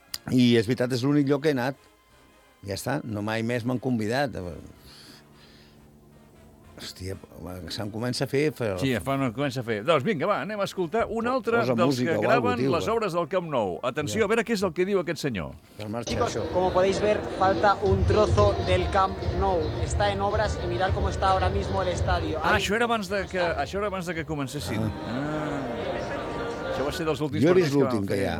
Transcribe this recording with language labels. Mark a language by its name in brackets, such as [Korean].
[Catalan] I és veritat, és l'únic lloc que he anat. Ja està, no mai més m'han convidat... Hòstia, se'm comença a fer... Sí, comença a fer. Doncs vinga, va, anem a escoltar un altre dels que graven les obres del Camp Nou. Atenció, a veure què és el que diu aquest senyor. [Spanish] Chicos, como podéis ver, falta un trozo del Camp Nou. Está en obras y mirad cómo está ahora mismo el estadio. [Catalan] Ah, això era abans de que comencessin. Això va ser dels últims... Jo he vist l'últim que hi ha.